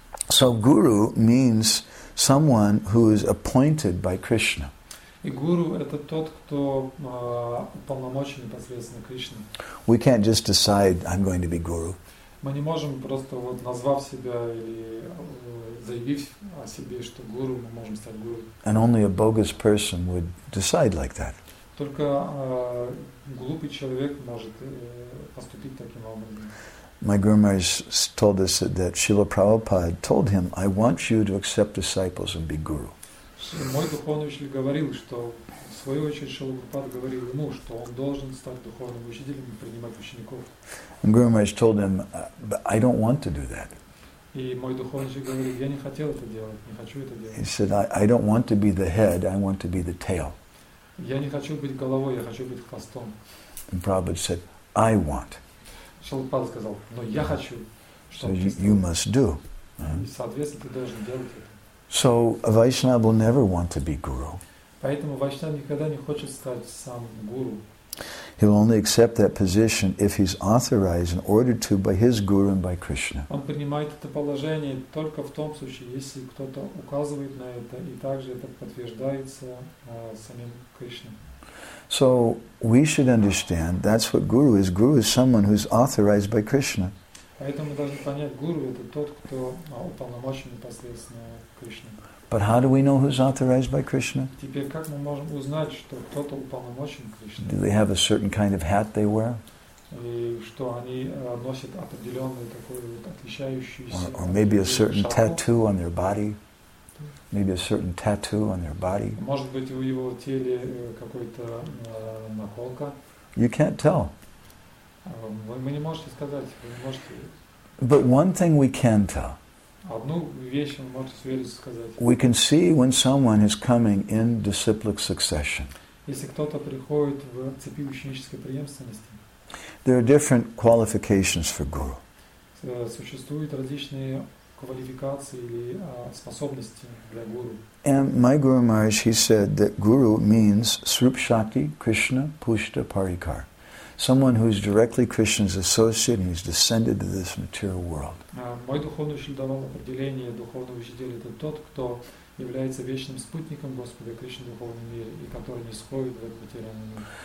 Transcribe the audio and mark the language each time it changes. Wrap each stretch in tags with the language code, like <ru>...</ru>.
<en>So guru means someone who is appointed by Krishna.</en> <ru>И гуру – это тот, кто уполномочен непосредственно Кришне.</ru> <en>We can't just decide, I'm going to be guru.</en> <ru>Мы не можем просто вот назвав себя или заявив о себе, что гуру, мы можем стать гуру.</ru> <en>And only a bogus person would decide like that.</en> <ru>Только глупый человек может поступить таким образом.</ru> <en>My Guru Maharaj told us that Srila Prabhupada told him, I want you to accept disciples and be guru.</en> <ru>Мой духовный учитель говорил, что в свою очередь Шрила Прабхупада говорил ему, что он должен стать духовным учителем и принимать учеников.</ru> <en>Guru Maharaj told him, but I don't want to do that.</en> <ru>И мой духовный учитель говорил, я не хотел это делать, не хочу это делать.</ru> <en>He said, I don't want to be the head, I want to be the tail.</en> <ru>Я не хочу быть головой, я хочу быть хвостом.</ru> <en>And Prabhupada said, I want.</en> <ru>Шрила Прабхупада сказал, но я хочу.</ru> <en>So you must do.</en> <ru>И соответственно ты должен делать это.</ru> <en>So a Vaishnava will never want to be guru.</en> <ru>Поэтому Вайшнав никогда не хочет стать сам гуру.</ru> <en>He'll only accept that position if he's authorized and ordered to by his guru and by Krishna.</en> <ru>Он принимает это положение только в том случае, если кто-то указывает на это, и также это подтверждается самим Кришной.</ru> <en>So we should understand that's what guru is. Guru is someone who's authorized by Krishna.</en> <ru>Поэтому мы должны понять, гуру это тот, кто уполномочен непосредственно Кришне.</ru> <en>But how do we know who's authorized by Krishna?</en> <ru>Теперь как мы можем узнать, что кто-то уполномочен Кришне?</ru> <en>Do they have a certain kind of hat they wear?</en> <ru>И что они носят определенную такую вот отличающуюся шапку?</ru> <en>Or maybe a certain tattoo on their body. Maybe a certain tattoo on their body.</en> <ru>Может быть у его тела какой-то наколка?</ru> <en>You can't tell.</en> <ru>Вы не можете сказать, вы не можете.</ru> <en>But one thing we can tell.</en> <ru>Одну вещь мы можем с уверенностью сказать.</ru> <en>We can see when someone is coming in disciplic succession.</en> <ru>Если кто-то приходит в цепи ученической преемственности.</ru> <en>There are different qualifications for guru.</en> <ru>Существуют различные квалификации или способности для гуру.</ru> <en>And my Guru Maharaj, he said that guru means Srup Shakti, Krishna, Pushta, Parikar. Someone who is directly Krishna's associate and he's descended to this material world.</en> <ru>Мой духовный учитель давал определение духовного учителя. Это тот, кто является вечным спутником Господа Кришны в духовном мире и который не сходит в этот материальный мир.</ru>